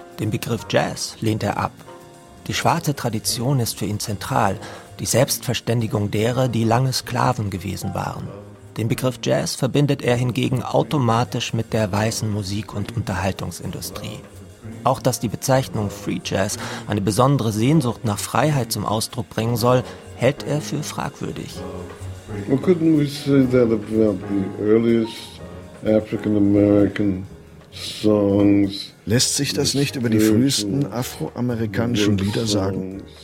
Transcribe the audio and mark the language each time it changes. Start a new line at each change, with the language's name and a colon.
German: Den Begriff Jazz lehnt er ab. Die schwarze Tradition ist für ihn zentral, die Selbstverständigung derer, die lange Sklaven gewesen waren. Den Begriff Jazz verbindet er hingegen automatisch mit der weißen Musik- und Unterhaltungsindustrie. Auch dass die Bezeichnung Free Jazz eine besondere Sehnsucht nach Freiheit zum Ausdruck bringen soll, hält er für fragwürdig.
English: Well, couldn't we say that about the earliest African-American songs?
German: Lässt sich das nicht über die frühesten afroamerikanischen Lieder sagen?